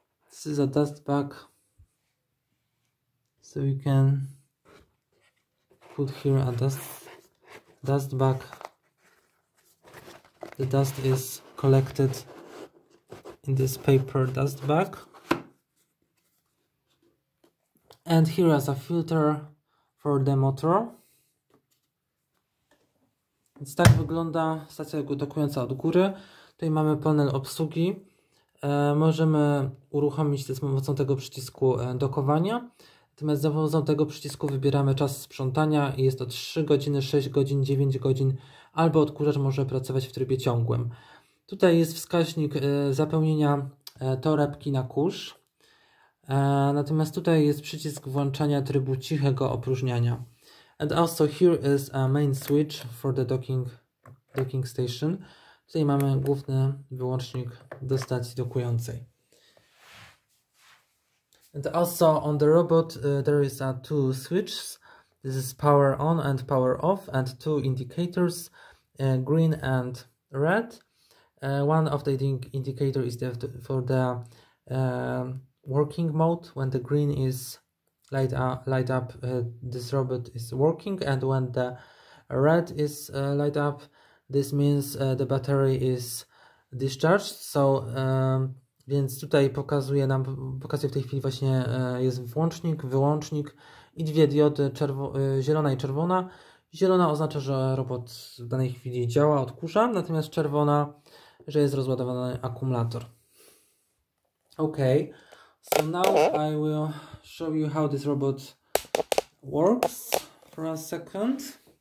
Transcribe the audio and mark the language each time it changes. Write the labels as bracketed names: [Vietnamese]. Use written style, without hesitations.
[English] This is a dust bag, so you can put here a dust bag. The dust is collected in this paper dust bag. And here is a filter for the motor. [Polish] Więc tak wygląda stacja dokująca od góry. Tutaj mamy panel obsługi. Możemy uruchomić to z pomocą tego przycisku dokowania. Natomiast za pomocą tego przycisku wybieramy czas sprzątania i jest to 3 godziny, 6 godzin, 9 godzin, albo odkurzacz może pracować w trybie ciągłym. Tutaj jest wskaźnik zapełnienia torebki na kurz. Natomiast tutaj jest przycisk włączania trybu cichego opróżniania. [English] And also here is a main switch for the docking station. [Polish] Tutaj mamy główny wyłącznik do stacji dokującej. [English] And also on the robot there is a two switches. This is power on and power off and two indicators, green and red. One of the indicator is there for the working mode when the green is light up this robot is working, and when the red is light up this means the battery is discharged. [Polish] So więc tutaj pokazuje w tej chwili właśnie jest włącznik, wyłącznik i dwie diody, zielona i czerwona. Zielona oznacza, że robot w danej chwili działa, odkurza, natomiast czerwona, że jest rozładowany akumulator. [English] Ok, so now I will show you how this robot works for a second.